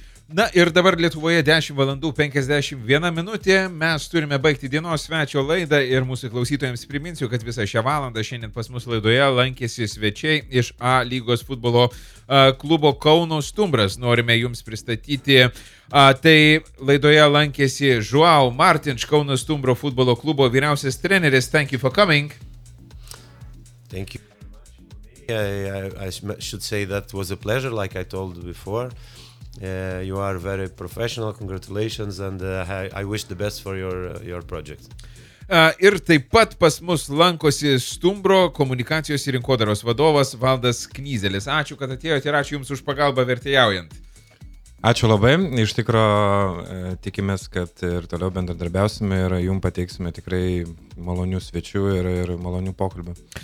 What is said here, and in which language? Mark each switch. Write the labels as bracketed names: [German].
[Lithuanian] Na ir dabar Lietuvoje 10:51, mes turime baigti dienos svečio laidą ir mūsų klausytojams priminsiu, kad visą šią valandą šiandien pas mūsų laidoje lankėsi svečiai iš A lygos futbolo klubo Kauno Stumbras. Norime jums pristatyti, tai laidoje lankėsi João Martins, Kauno Stumbro futbolo klubo vyriausias treneris. [English] Thank you for coming. Thank you. I should say that was a pleasure, like I told before. You are very professional, congratulations, and I wish the best for your project. [Lithuanian] Ir taip pat pas mus lankosi Stumbro komunikacijos ir rinkodaros vadovas Valdas Knyzelis. Ačiū, kad atėjote ir ačiū Jums už pagalbą vertėjaujant. Ačiū labai, iš tikro tikimės, kad ir toliau bendradarbiausime ir Jums pateiksime tikrai malonių svečių ir malonių pokalbių.